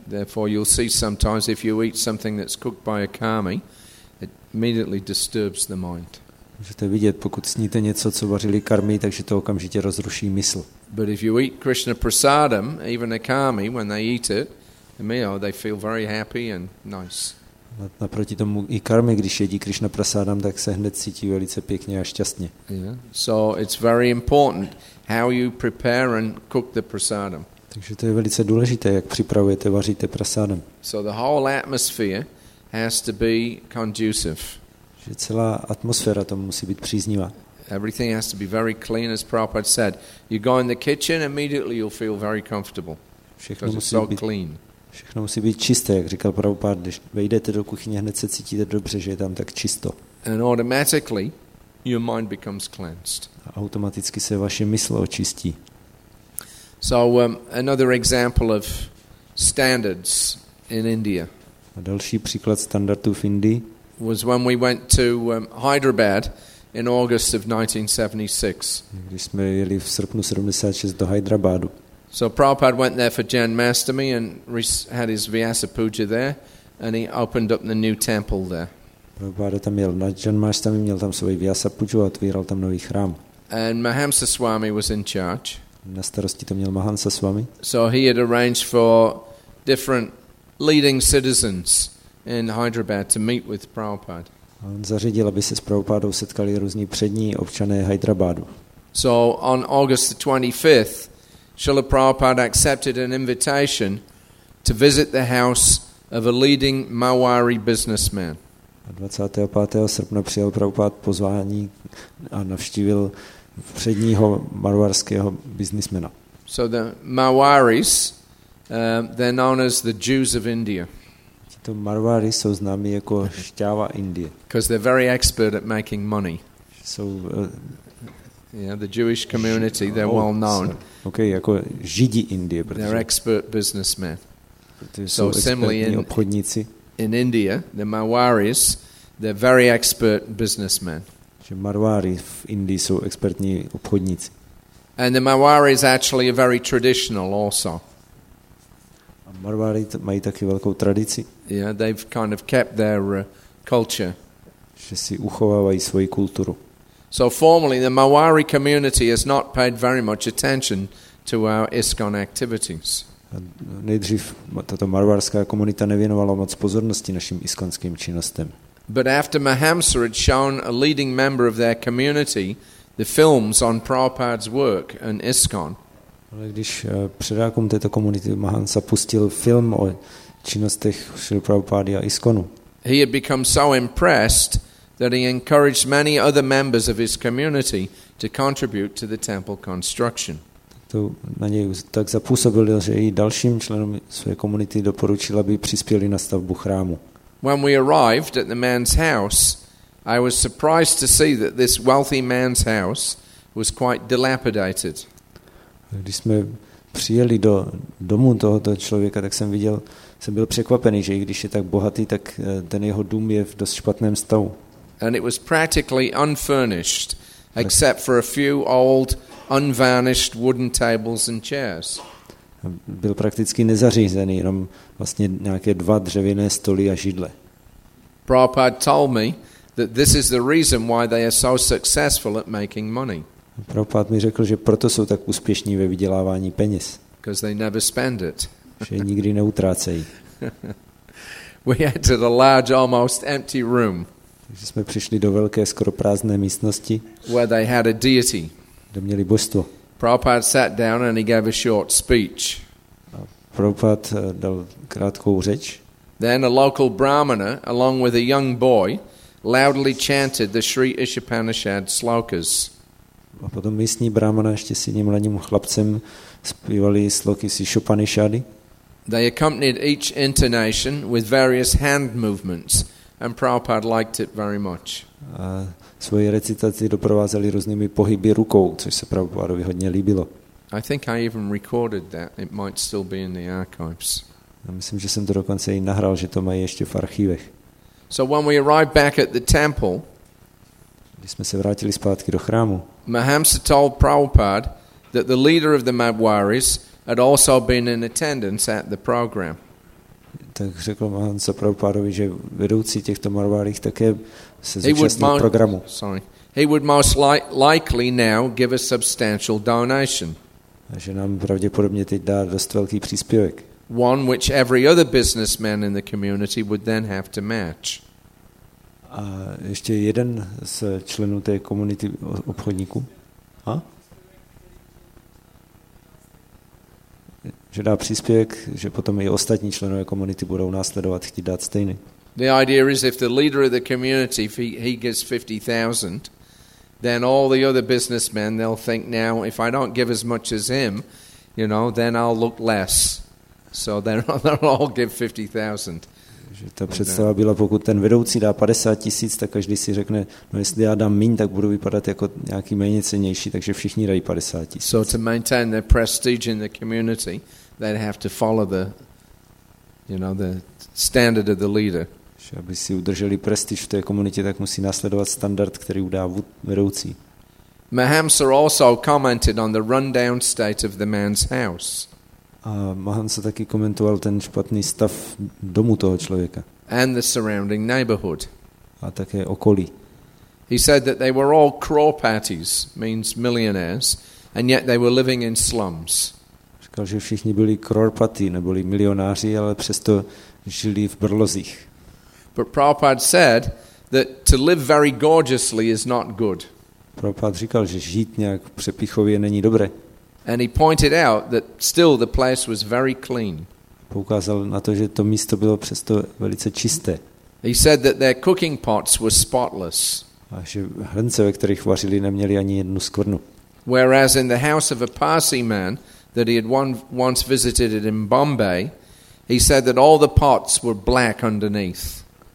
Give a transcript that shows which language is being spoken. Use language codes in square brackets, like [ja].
[en] Therefore you'll see sometimes if you eat something that's cooked by a kami, it immediately disturbs the mind. [cs] Můžete vidět, pokud sníte něco, co vařili karmi, takže to okamžitě rozruší mysl. [en] But if you eat Krishna prasadam, even a kami, when they eat it, they feel very happy and nice. [cs] Naproti tomu i karmi, když jedí Krishna prasadam, tak se hned cítí velice pěkně a šťastně. [en] Yeah. So it's very important how you prepare and cook the prasadam. [cs] Takže to je velice důležité, jak připravujete, vaříte prasadam. [en] So the whole atmosphere has to be conducive. [cs] Že celá atmosféra tomu musí být příznivá. [en] Everything has to be very clean, as Prabhupada said. You go in the kitchen, immediately you'll feel very comfortable. [cs] Všechno musí být [en] clean. [cs] Všechno musí být čisté, jak říkal Prabhupada. Když vejdete do kuchyně, hned se cítíte dobře, že je tam tak čisto. [en] And automatically your mind becomes cleansed. [cs] A automaticky se vaše mysl očistí. [en] So another example of standards in India. [cs] A další příklad standardů v Indii. [en] Was when we went to Hyderabad in August of 1976. [cs] Když jsme jeli v srpnu 76 do Hyderabadu. [en] So Prabhupada went there for Janmashtami and had his Vyasa Puja there and he opened up the new temple there. [cs] Prabhupada tam jel na Janmashtami, měl tam svoji Vyasa Puju a otvíral tam nový chrám. [en] And Mahamsa Swami was in charge. [cs] Na starosti to měl Mahamsa Swami. [en] So he had arranged for different leading citizens in Hyderabad to meet with Prabhupada. [cs] On zařídil, aby se s Prabhupádou setkali různí přední občané Hyderabadu. [en] So on August the 25th, Srila Prabhupada accepted an invitation to visit the house of a leading Marwari businessman. [cs] A 25. srpna přijal Prabhupád pozvání a navštívil předního marwarského biznismena. [en] So the Marwaris, they're known as the Jews of India. [cs] To Marwari jsou známi jako šťáva Indie. [en] Because they're very expert at making money. So the Jewish community, they're well known. [cs] Okay, jako Židi Indie, protože [en] they're expert businessmen. So similarly in obchodníci. In India, the Marwaris, they're very expert businessmen. [cs] Že Marwari v Indii jsou expertní obchodníci. [en] And the Marwaris actually are very traditional also. [cs] Marwari mají taky velkou tradici. [en] Yeah, they've kind of kept their culture. [cs] Že si uchovávají svoji kulturu. [en] So formally the Marwari community has not paid very much attention to our ISKCON activities. [cs] Nejdřív tato marwarská komunita nevěnovala moc pozornosti našim iskonským činnostem. [en] But after Mahamsa had shown a leading member of their community the films on Prabhupada's work in ISKCON. [cs] Když předákům této komunity Mahamsa pustil film o činnostech Srila Prabhupády a ISKCONu. [en] He had become so impressed that he encouraged many other members of his community to contribute to the temple construction. [cs] To na něj tak zapůsobil, že i dalším členům své komunity doporučil, aby přispěli na stavbu chrámu. [en] When we arrived at the man's house, I was surprised to see that this wealthy man's house was quite dilapidated. [cs] Když jsme přijeli do domu tohoto člověka, tak jsem byl překvapený, že i když je tak bohatý, tak ten jeho dům je v dost špatném stavu. [en] And it was practically unfurnished, except for a few old unvarnished wooden tables and chairs. [cs] Byl prakticky nezařízený, jenom vlastně nějaké dva dřevěné stoly a židle. [en] Prabhupada told me that this is the reason why they are so successful at making money. [cs] Prabhupada mi řekl, že proto jsou tak úspěšní ve vydělávání peněz. [en] Because they never spend it. [cs] Že nikdy neutrácejí. [en] We entered a large, almost empty room. [cs] Takže jsme přišli do velké, skoro prázdné místnosti. [en] Where they had a deity. [cs] Kde měli božstvo. [en] Prabhupada sat down and he gave a short speech. [cs] Prabhupada dal krátkou řeč. [en] Then a local brahmana, along with a young boy, loudly chanted the Sri Ishapanishad slokas. [cs] A potom místní brahmana ještě s jedním mladým chlapcem zpívali sloky z Ishapanishady. [en] They accompanied each intonation with various hand movements, and Prabhupada liked it very much. [cs] Svoji recitaci doprovázeli různými pohyby rukou, což se Prabhupádovi hodně líbilo. [en] I think I even recorded that. It might still be in the archives. [cs] Já myslím, že jsem to dokonce i nahrál, že to mají ještě v archivech. [en] So when we arrived back at the temple, [cs] když jsme se vrátili zpátky do chrámu, [en] Mahamsa told Prabhupada that the leader of the Madhwaris had also been in attendance at the program. [cs] Tak řekl Mahamsa Prabhupádovi, že vedoucí těchto Madhwaris také se zúčastnil programu. [en] He would most likely now give a substantial donation. [cs] A že nám pravděpodobně teď dá dost velký příspěvek. [en] One which every other businessman in the community would then have to match. [cs] A ještě jeden z členů té komunity obchodníků. A? Že dá příspěvek, že potom i ostatní členové komunity budou následovat, chtít dát stejný. [en] The idea is if the leader of the community, if he gives 50,000, then all the other businessmen, they'll think now, if I don't give as much as him, you know, then I'll look less. So they'll all give 50,000. [cs] Že ta představa byla, pokud ten vedoucí dá 50,000, tak každý si řekne, no jestli já dám míň, tak budu vypadat jako nějaký méně cennější, takže všichni dají 50,000. [en] So to maintain their prestige in the community, they'd have to follow the, you know, the standard of the leader. [cs] Že aby si udrželi prestiž v té komunitě, tak musí následovat standard, který udá vedoucí. [en] Mahamsa also commented on the rundown state of the man's house. [cs] A Mahamsa taky komentoval ten špatný stav domu toho člověka. [en] And the surrounding neighborhood. [cs] A také okolí. [en] He said that they were all crawpatties, means millionaires, and yet they were living in slums. [cs] Říkal, že všichni byli crawpatty, neboli milionáři, ale přesto žili v brlozích. [en] But Prabhupada said that to live very gorgeously is not good. [cs] Prabhupada říkal, že žít nějak přepichově není dobré. [en] And he pointed out that still the place was very clean. [cs] Poukázal na to, že to místo bylo přesto velice čisté. [en] He said that their cooking pots were spotless. [cs] A že hrnce, ve kterých vařili, neměli ani jednu skvrnu. [en] Whereas in the house of a Parsi man that he had once visited in Bombay, he said that all the pots were black underneath.